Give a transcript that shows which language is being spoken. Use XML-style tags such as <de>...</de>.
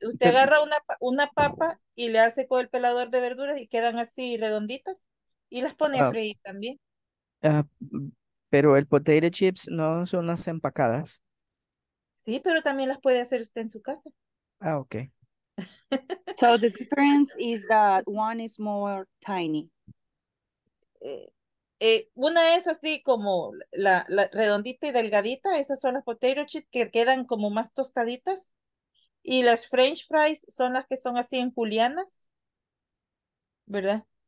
<es>usted agarra una papa y le hace con el pelador de verduras y quedan así redonditas y las pone a freír también. Pero el potato chips no son las empacadas. Sí, pero también las puede hacer usted en su casa. Ah, okay.</es> <en>So the difference is that one is more tiny.</en> <es>Una es así como la redondita y delgadita. Esas son las potato chips que quedan como más tostaditas. Y las French fries son las que son así en julianas. ¿Verdad?</es>